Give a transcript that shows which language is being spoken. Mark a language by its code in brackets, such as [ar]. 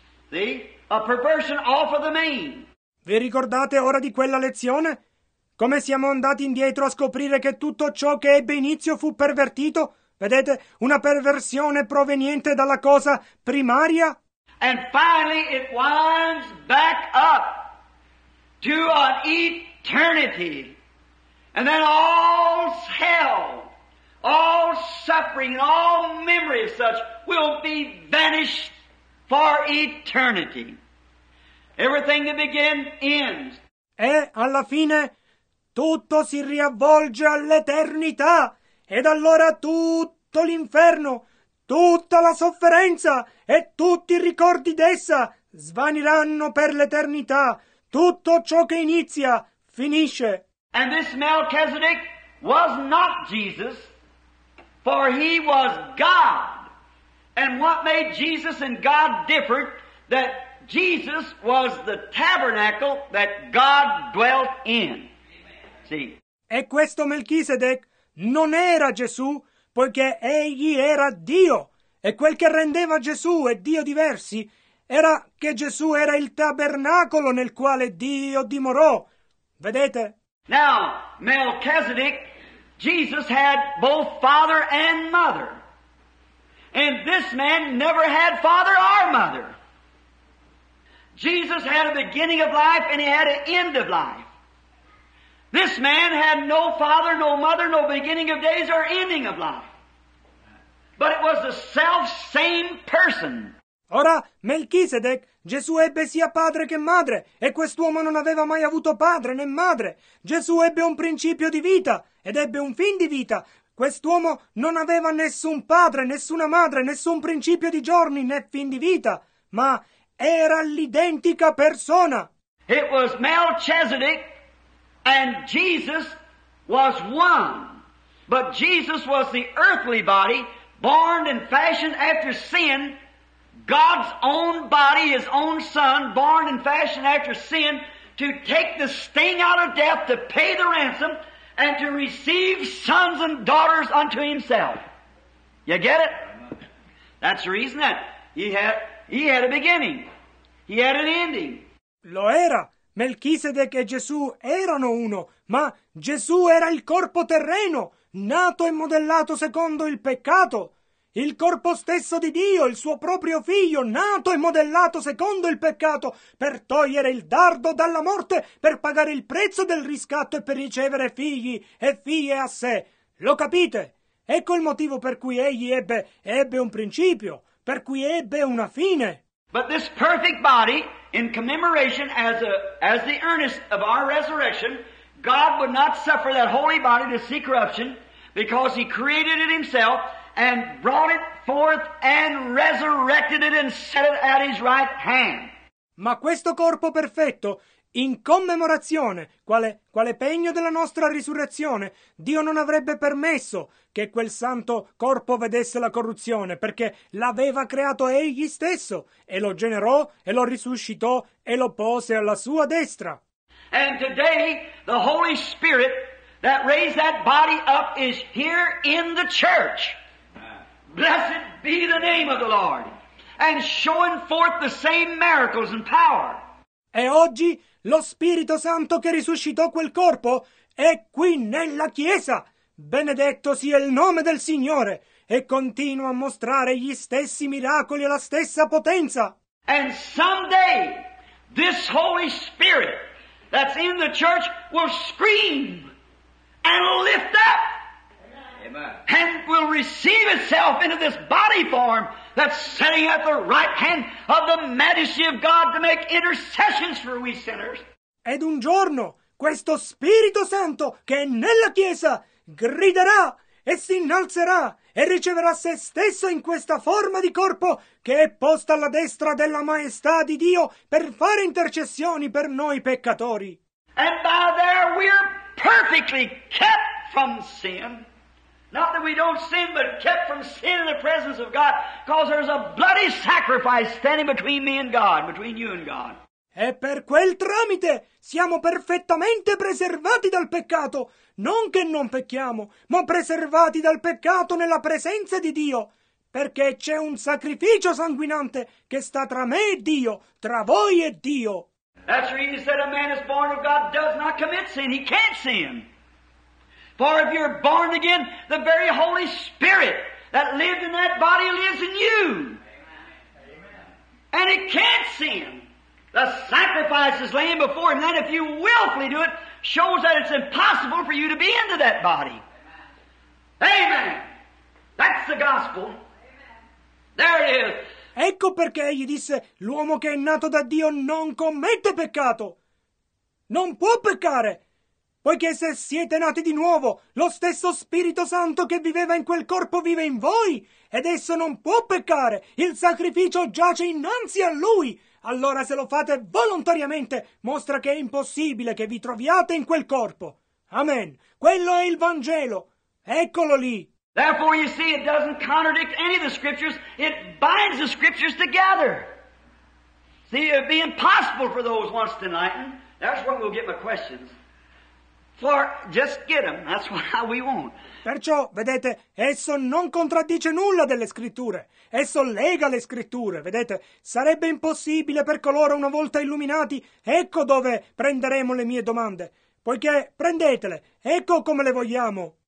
[en] See? A perversion off of the main. [it] Vi ricordate ora di quella lezione? Come siamo andati indietro a scoprire che tutto ciò che ebbe inizio fu pervertito? Vedete? Una perversione proveniente dalla cosa primaria? [en] And finally it winds back up to an eternity. And then all's hell. All suffering, all memory of such will be vanished for eternity. Everything that began ends. [it] E alla fine tutto si riavvolge all'eternità. Ed allora tutto l'inferno, tutta la sofferenza e tutti i ricordi d'essa svaniranno per l'eternità. Tutto ciò che inizia finisce. [en] And this Melchizedek was not Jesus. For he was God. And what made Jesus and God different? That Jesus was the tabernacle that God dwelt in. See? [it] E questo Melchisedec non era Gesù, poiché egli era Dio. E quel che rendeva Gesù e Dio diversi era che Gesù era il tabernacolo nel quale Dio dimorò. Vedete? [en] Now, Melchizedek, Jesus had both father and mother. And this man never had father or mother. Jesus had a beginning of life and he had an end of life. This man had no father, no mother, no beginning of days or ending of life. But it was the self-same person. [it] Ora, Melchisedec, Gesù ebbe sia padre che madre, e quest'uomo non aveva mai avuto padre né madre. Gesù ebbe un principio di vita, ed ebbe un fin di vita. Quest'uomo non aveva nessun padre, nessuna madre, nessun principio di giorni né fin di vita, ma era l'identica persona. [en] It was Melchisedec, and Jesus was one. But Jesus was the earthly body, born and fashioned after sin. God's own body, his own son, born and fashioned after sin, to take the sting out of death, to pay the ransom, and to receive sons and daughters unto himself. You get it? That's the reason that he had a beginning. He had an ending. [it] Lo era. Melchisedec e Gesù erano uno, ma Gesù era il corpo terreno, nato e modellato secondo il peccato. Il corpo stesso di Dio, il suo proprio figlio, nato e modellato secondo il peccato, per togliere il dardo dalla morte, per pagare il prezzo del riscatto e per ricevere figli e figlie a sé. Lo capite? Ecco il motivo per cui egli ebbe un principio, per cui ebbe una fine. [en] But this perfect body, in commemoration as the earnest of our resurrection, God would not suffer that holy body to see corruption, because he created it himself, and brought it forth and resurrected it and set it at his right hand. [it] Ma questo corpo perfetto, in commemorazione, quale pegno della nostra risurrezione, Dio non avrebbe permesso che quel santo corpo vedesse la corruzione, perché l'aveva creato egli stesso, e lo generò, e lo risuscitò, e lo pose alla sua destra. [en] And today, the Holy Spirit that raised that body up is here in the church. Blessed be the name of the Lord, and showing forth the same miracles and power. [it] E oggi lo Spirito Santo che risuscitò quel corpo è qui nella Chiesa. Benedetto sia il nome del Signore, e continua a mostrare gli stessi miracoli e la stessa potenza. [en] And someday this Holy Spirit that's in the church will scream and lift up. Amen. And will receive itself into this body form that's sitting at the right hand of the majesty of God to make intercessions for we sinners. [it] Ed un giorno questo Spirito Santo che è nella Chiesa griderà e si innalzerà e riceverà se stesso in questa forma di corpo che è posta alla destra della maestà di Dio per fare intercessioni per noi peccatori. [en] And by there we're perfectly kept from sin. Not that we don't sin, but kept from sin in the presence of God, because there's a bloody sacrifice standing between me and God, between you and God. [it] E per quel tramite siamo perfettamente preservati dal peccato, non che non pecchiamo, ma preservati dal peccato nella presenza di Dio, perché c'è un sacrificio sanguinante che sta tra me e Dio, tra voi e Dio. [en] That's the reason he said a man is born of God does not commit sin. He can't sin. For if you're born again, the very Holy Spirit that lived in that body lives in you. Amen. And it can't sin. The sacrifice is laying before him. That if you willfully do it, shows that it's impossible for you to be into that body. Amen. Amen. That's the gospel. Amen. There it is. [it] Ecco perché egli disse, l'uomo che è nato da Dio non commette peccato. Non può peccare. Poiché se siete nati di nuovo, lo stesso Spirito Santo che viveva in quel corpo vive in voi, ed esso non può peccare, il sacrificio giace innanzi a Lui. Allora se lo fate volontariamente, mostra che è impossibile che vi troviate in quel corpo. Amen. Quello è il Vangelo. Eccolo lì. [en] Therefore you see, it doesn't contradict any of the scriptures, it binds the scriptures together. See, it'd be impossible for those once denied. That's where we'll get my questions. For just get them, that's what we want. [it] Perciò, vedete, esso non contraddice nulla delle scritture. Esso lega le scritture, vedete. Sarebbe impossibile per coloro una volta illuminati. Ecco dove prenderemo le mie domande. Poiché, prendetele, ecco come le vogliamo.